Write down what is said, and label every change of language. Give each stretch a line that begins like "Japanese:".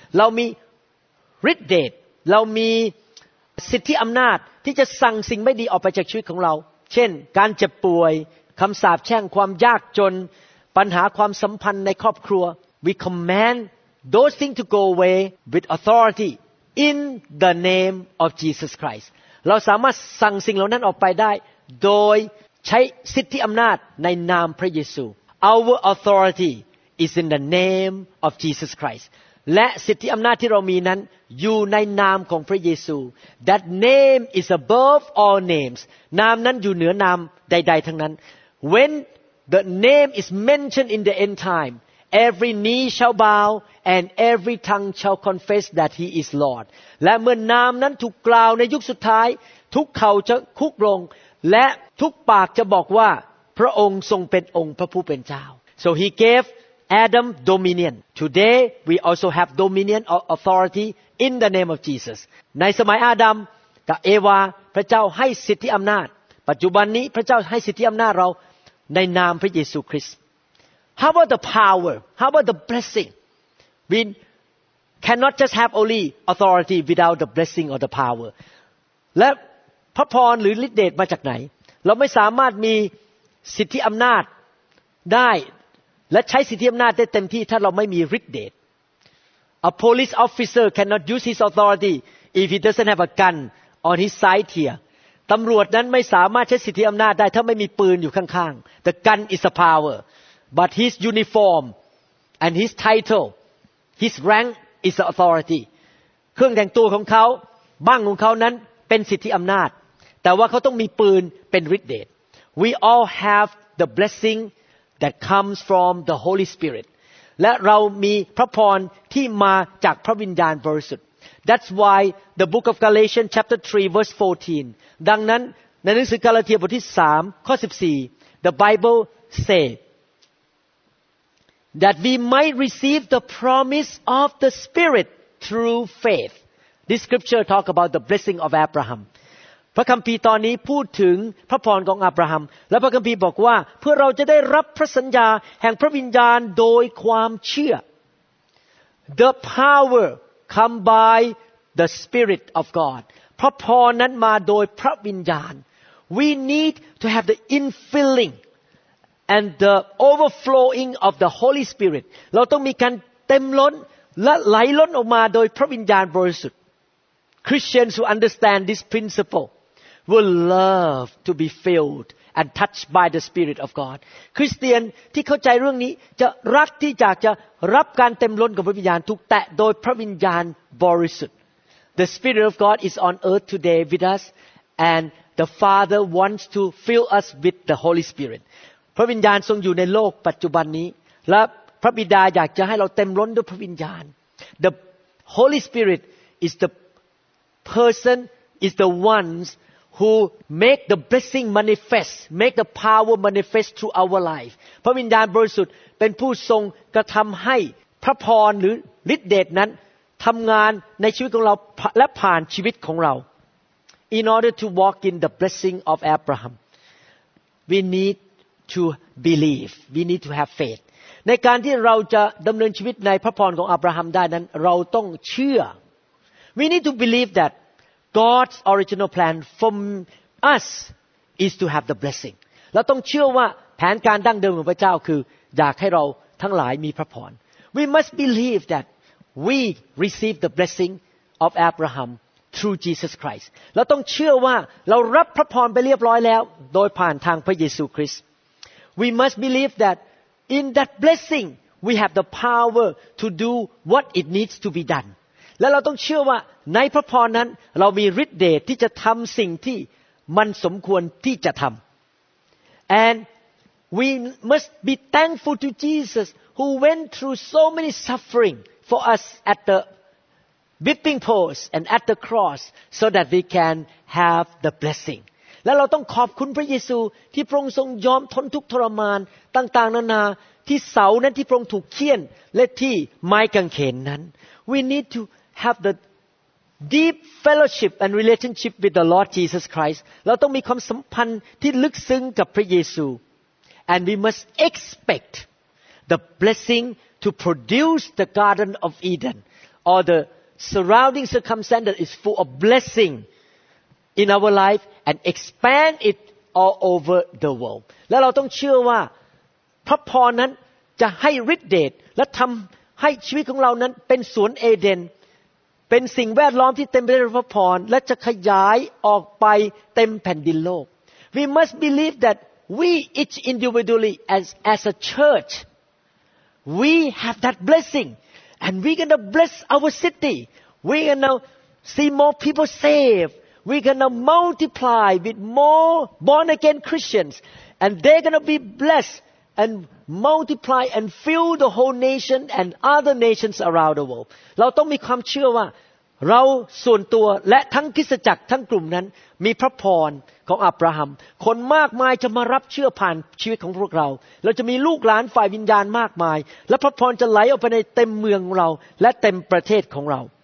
Thai: เรามีฤทธิ์เดชเรามีสิทธิอำนาจที่จะสั่งสิ่งไม่ดีออกไปจากชีวิตของเราเช่นการเจ็บป่วยคำสาปแช่งความยากจนปัญหาความสัมพันธ์ในครอบครัว
English: We command those things to go away with authorityIn the name of Jesus Christ,
Thai: เราสามารถสั่งสิ่งเหล่านั้นออกไปได้โดยใช้สิทธิอำนาจในนามพระเยซู
English: Our authority is in the name of Jesus Christ.
Thai: และสิทธิอำนาจที่เรามีนั้นอยู่ในนามของพระเยซู
English: That name is above all names.
Thai: นามนั้นอยู่เหนือนามใดๆทั้งนั้น
English: When the name is mentioned in the end time, every knee shall bow and every tongue shall confess that he is Lord.
Thai: และเมื่อนามนั้นถูกกล่าวในยุคสุดท้ายทุกเข่าจะคุกลงและทุกปากจะบอกว่าพระองค์ทรงเป็นองค์พระผู้เป็นเจ้า
English: So he gave Adam dominion. Today we also have dominion or authority in the name of Jesus.
Thai: ในสมัยอาดัมกับเอวาพระเจ้าให้สิทธิอำนาจปัจจุบันนี้พระเจ้าให้สิทธิอำนาจเราในนามพระเยซูคริสต์
English: How about the power? How about the blessing? We cannot just have only authority without the blessing or the power.
Thai: และพระพรหรือฤทธิเดชมาจากไหนเราไม่สามารถมีสิทธิอำนาจได้และใช้สิทธิอำนาจได้เต็มที่ถ้าเราไม่มีฤทธิเดช
English: A police officer cannot use his authority if he doesn't have a gun on his side here.
Thai: ตำรวจนั้นไม่สามารถใช้สิทธิอำนาจได้ถ้าไม่มีปืนอยู่ข้างๆ
English: The gun is a power but his uniform and his title his rank is authority
Thai: เครื่องแต่งตัวของเขาบ้างของเขานั้นเป็นสิทธิอำนาจแต่ว่าเขาต้องมีปืนเป็นฤทธิเดช
English: We all have the blessing that comes from the Holy Spirit
Thai: และเรามีพระพรที่มาจากพระวิญญาณบริสุทธิ์
English: That's why the book of Galatians chapter 3 verse 14.
Thai: ดังนั้นในหนังสือกาลาเทียบทที่3ข้อ14
English: the Bible says that we might receive the promise of the Spirit through faith. This scripture talk about the blessing of Abraham.
Thai: พระคัมภีร์ตอนนี้พูดถึงพระพรของอับราฮัมและพระคัมภีร์บอกว่าเพื่อเราจะได้รับพระสัญญาแห่งพระวิญญาณโดยความเชื่อ
English: the powercome by the spirit of god
Thai: พระพรนั้นมาโดยพระวิญญาณ
English: we need to have the infilling and the overflowing of the holy spirit
Thai: เราต้องมีการเต็มล้นและไหลล้นออกมาโดยพระวิญญาณบริสุทธิ์
English: christians who understand this principle will love to be filled and touched by the spirit of god
Thai: คริสเตียนที่เข้าใจเรื่องนี้จะรักที่จะรับการเต็มล้นกับพระวิญญาณถูกแตะโดยพระวิญญาณบริสุทธิ์
English: The Spirit of God is on earth today with us and the Father wants to fill us with the Holy Spirit
Thai: พระวิญญาณทรงอยู่ในโลกปัจจุบันนี้และพระบิดาอยากจะให้เราเต็มล้นด้วยพระวิญญาณ
English: The Holy Spirit is the person is the ones who make the blessing manifest make the power manifest through our life
Thai: พระวิญญาณบริสุทธิ์เป็นผู้ทรงกระทำให้พระพรหรือฤทธิเดชนั้นทำงานในชีวิตของเราและผ่านชีวิตของเรา
English: In order to walk in the blessing of Abraham we need to believe we need to have faith
Thai: ในการที่เราจะดำเนินชีวิตในพระพรของอับราฮัมได้นั้นเราต้องเชื่อ
English: We need to believe that God's original plan for us is to have the blessing
Thai: เราต้องเชื่อว่าแผนการดั้งเดิมของพระเจ้าคืออยากให้เราทั้งหลายมีพระพร
English: We must believe that we receive the blessing of Abraham through Jesus Christ.
Thai: เราต้องเชื่อว่าเรารับพระพรไปเรียบร้อยแล้วโดยผ่านทางพระเยซูคริสต์
English: We must believe that in that blessing we have the power to do what it needs to be done.
Thai: และเราต้องเชื่อว่าในพระพรนั้นเรามีฤทธิ์เดชที่จะทำสิ่งที่มันสมควรที่จะทำ
English: And we must be thankful to Jesus who went through so many suffering for us at the whipping post and at the cross so that we can have the blessing.
Thai: และเราต้องขอบคุณพระเยซูที่พระองค์ทรงยอมทนทุกทรมานต่างๆนานาที่เสานั้นที่พระองค์ถูกเฆี่ยนและที่ไม้กางเขนนั้น
English: We need to have the deep fellowship and relationship with the Lord Jesus Christ.
Thai: เราต้องมีความสัมพันธ์ที่ลึกซึ้งกับพระเยซู
English: And we must expect the blessing to produce the Garden of Eden or the surrounding circumstance that is full of blessing in our life and expand it all over the world.
Thai: และเราต้องเชื่อว่าพระพรนั้นจะให้ฤทธิ์เดชและทำให้ชีวิตของเรานั้นเป็นสวนเอเดนเป็นสิ่งแวดล้อมที่เต็มไปด้วยพระพรและจะขยายออกไปเต็มแผ่นดินโลก
English: We must believe thatWe each individually as a church, we have that blessing, and we're gonna bless our city. We're gonna see more people saved. we're going to multiply with more born again Christians, and they're going to be blessed and multiply and fill the whole nation and other nations around the world.
Thai: เราต้องมีความเชื่อว่าเราส่วนตัวและทั้งคริสตจักรทั้งกลุ่มนั้นมีพระพรของอับราฮัมคนมากมายจะมารับเชื่อผ่านชีวิตของพวกเราเราจะมีลูกหลานฝ่ายวิญญาณมากมายและพระพรจะไหลออกไปในเต็มเมืองเราและเต็มประเทศของเรา